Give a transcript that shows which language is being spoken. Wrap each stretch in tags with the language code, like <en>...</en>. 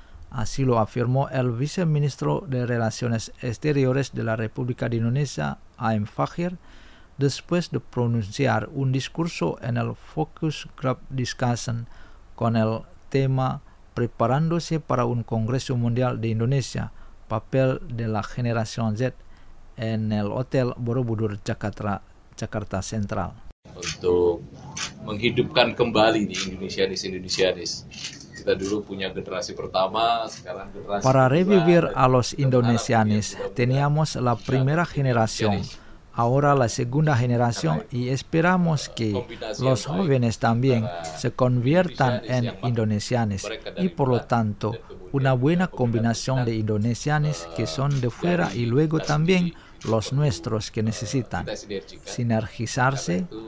<es>Así lo afirmó el viceministro de Relaciones Exteriores de la República de Indonesia, Aim Fakhir, después de pronunciar un discurso en el Focus Group Discussion con el tema Preparándose para un Congreso Mundial de Indonesia, Papel de la Generación Z en el Hotel Borobudur, Jakarta, Jakarta Central.</es> <id>Untuk menghidupkan kembali di Indonesianis, Indonesianis. Kita dulu punya generasi pertama, sekarang generasi</id> <es>para revivir a los Indonesianis, teníamos la primera generación. Ahora la segunda generación y esperamos que los jóvenes también se conviertan en indonesianos y por lo tanto una buena combinación de indonesianos que son de fuera y luego también los nuestros que necesitan sinergizarse.</es>